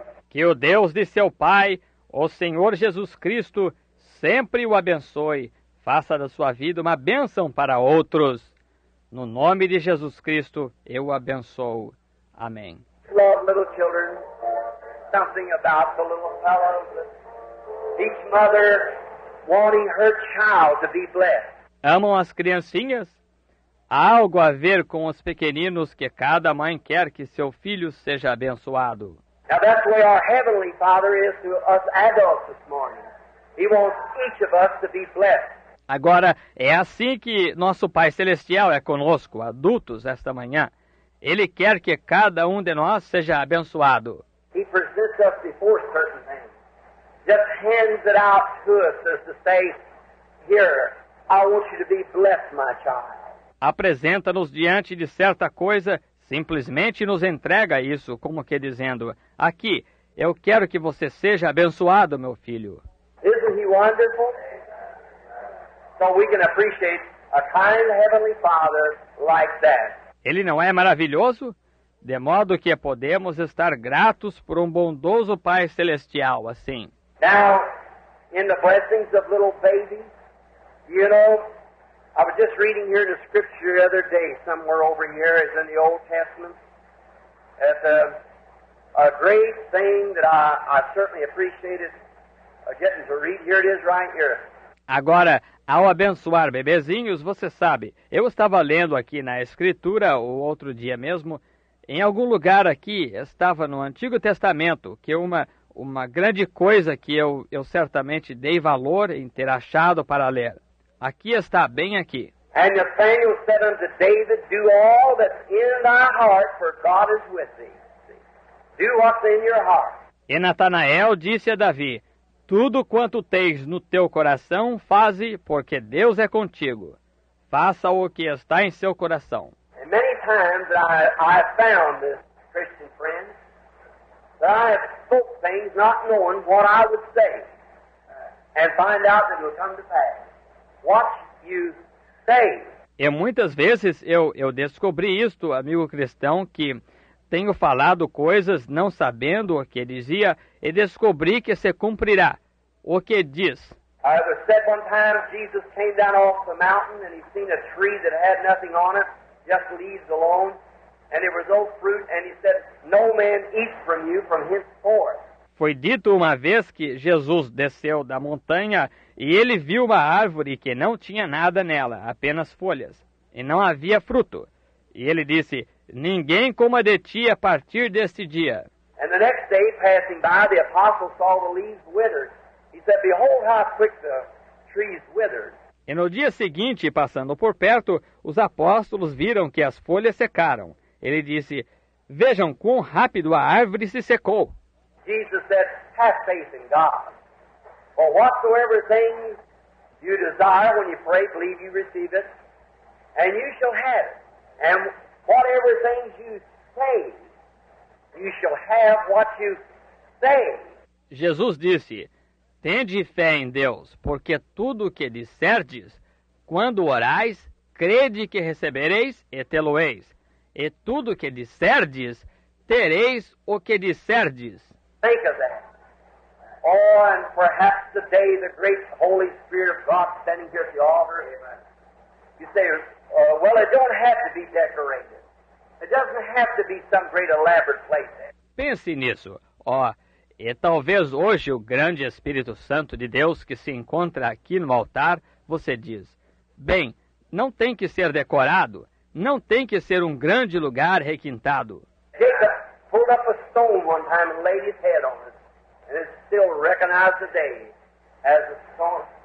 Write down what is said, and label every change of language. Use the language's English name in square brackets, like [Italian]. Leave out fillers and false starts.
[Portuguese] Que o Deus de seu Pai, o Senhor Jesus Cristo, sempre o abençoe. Faça da sua vida uma bênção para outros. No nome de Jesus Cristo, eu o abençoo. Amém. [English] Love little children, something about the little fellows. Each mother wanting her child to be blessed. [Portuguese] Amam as criancinhas? Há algo a ver com os pequeninos que cada mãe quer que seu filho seja abençoado. [English] Now that's the way our Heavenly Father is to us adults this morning. He wants each of us to be blessed. [Portuguese] Agora, é assim que nosso Pai Celestial é conosco, adultos, esta manhã. Ele quer que cada um de nós seja abençoado. [English] He presents us before certain things. Just hands it out to us as to say, here, I want you to be blessed, my child. [Portuguese] Apresenta-nos diante de certa coisa, simplesmente nos entrega isso, como que dizendo, aqui, eu quero que você seja abençoado, meu filho. [English] Isn't he wonderful? So we can appreciate a kind Heavenly Father like that. [Portuguese] Ele não é maravilhoso? De modo que podemos estar gratos por um bondoso Pai Celestial assim. [English] Now, in the blessings of little babies, you know, I was just reading here in the scripture the other day, somewhere over here, it's in the Old Testament, that a great thing that I certainly appreciated getting to read, here it is right here. [Portuguese] Agora, ao abençoar bebezinhos, você sabe, eu estava lendo aqui na Escritura, o outro dia mesmo, em algum lugar aqui, estava no Antigo Testamento, que uma grande coisa que eu certamente dei valor em ter achado para ler. Aqui está, bem aqui. [English] And Nathanael said unto David, do all that's in thy heart, for God is with thee. Do what's in your heart. [Portuguese] E Natanael disse a Davi, tudo quanto tens no teu coração, faze, porque Deus é contigo. Faça o que está em seu coração. [English] And many times I found this Christian friend that I have spoke things not knowing what I would say and find out that it will come to pass. What you say. [Portuguese] E muitas vezes eu descobri isto, amigo cristão, que tenho falado coisas não sabendo o que dizia e descobri que se cumprirá. O que diz? [English] It was said one time Jesus came down off the mountain and he seen a tree that had nothing on it, just leaves alone, and there was no fruit, and he said, no man eat from you from henceforth. [Portuguese] Foi dito uma vez que Jesus desceu da montanha e ele viu uma árvore que não tinha nada nela, apenas folhas, e não havia fruto. E ele disse, ninguém coma de ti a partir deste dia. [English] And the next day, passing by, the apostle saw the leaves withered. He said, behold how quick the trees withered. [Portuguese] E no dia seguinte, passando por perto, os apóstolos viram que as folhas secaram. Ele disse, Vejam quão rápido a árvore se secou. [English] Jesus said, have faith in God. For whatsoever things you desire when you pray, believe you receive it, and you shall have it. And whatever things you say, you shall have what you say. [Portuguese] Jesus disse, tende fé em Deus, porque tudo o que disserdes, quando orais, crede que recebereis e tê-lo-eis. E tudo o que disserdes, tereis o que disserdes. [English] Think of that. Oh, and perhaps today the great Holy Spirit of God standing here at the altar. Amen. You say, well, it don't have to be decorated. It doesn't have to be some great elaborate place. [Portuguese] Pense nisso. Oh, e talvez hoje o grande Espírito Santo de Deus que se encontra aqui no altar, você diz, bem, não tem que ser decorado, não tem que ser um grande lugar requintado. [English] Jacob pulled up a stone one time and laid his head on it, and it's still recognized today as a stone.